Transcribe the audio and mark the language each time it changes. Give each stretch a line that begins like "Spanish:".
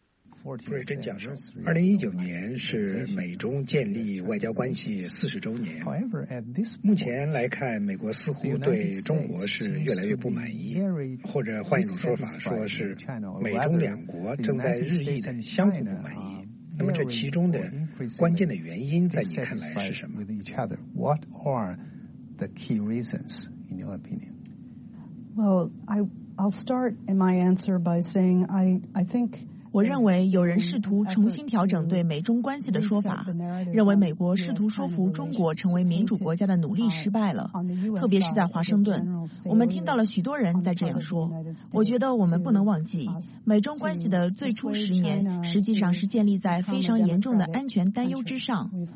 Chinese: 傅瑞珍教授，2019年是美中建立外交关系40周年。目前来看，美国似乎对中国是越来越不满意，或者换一种说法，说是美中两国正在日益的相互不满意。那么，这其中的关键的原因，在你看来是什么
English: ？What are the key reasons in your opinion? Well, I'll start in my answer by saying I think.
Chinese: 我认为有人试图重新调整对美中关系的说法，认为美国试图说服中国成为民主国家的努力失败了，特别是在华盛顿，我们听到了许多人在这样说。我觉得我们不能忘记，美中关系的最初10年实际上是建立在非常严重的安全担忧之上。